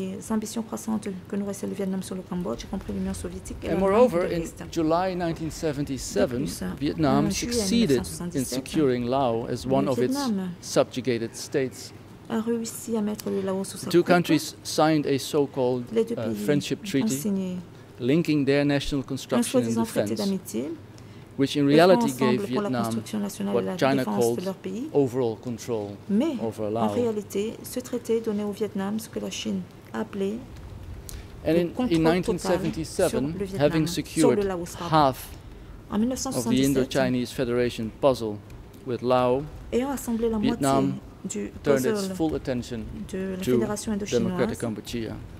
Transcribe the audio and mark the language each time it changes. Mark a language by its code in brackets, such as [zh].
[fr] Ambitions croissantes que nourrissait le Vietnam sur le Cambodge, y compris l'Union soviétique. [en] And moreover, in July 1977, Vietnam succeeded in securing Laos as one of its subjugated states. [fr] A réussi à mettre le Laos sous sa. [en] Two countries signed a so-called friendship treaty, linking their national construction and defense, which in reality gave Vietnam what China called overall control over Laos. [fr] En réalité, ce traité donnait au Vietnam ce que la Chine appelait. [en] And in 1977, having secured half of the Indo-Chinese Federation puzzle with Laos, Vietnam turned its full attention to Democratic Cambodia.